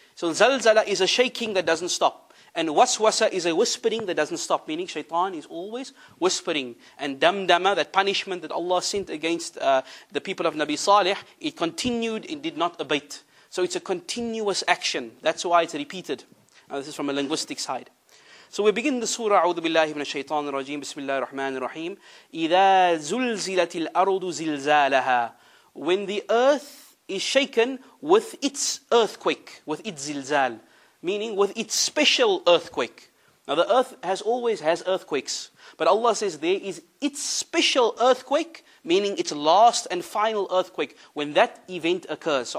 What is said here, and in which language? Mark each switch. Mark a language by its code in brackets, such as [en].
[en] So zalzala is a shaking that doesn't stop. And waswasa is a whispering that doesn't stop, meaning shaitan is always whispering. And damdama, that punishment that Allah sent against the people of Nabi Saleh, it continued, it did not abate. So it's a continuous action. That's why it's repeated. Now this is from a linguistic side. So we begin the surah, [ar] أعوذ بالله من الشيطان الرجيم, بسم الله الرحمن الرحيم. إذا زلزلت الأرض زلزالها. [en] When the earth is shaken with its earthquake, with its zilzal, meaning with its special earthquake. Now the earth has always has earthquakes. But Allah says there is its special earthquake, meaning its last and final earthquake, when that event occurs.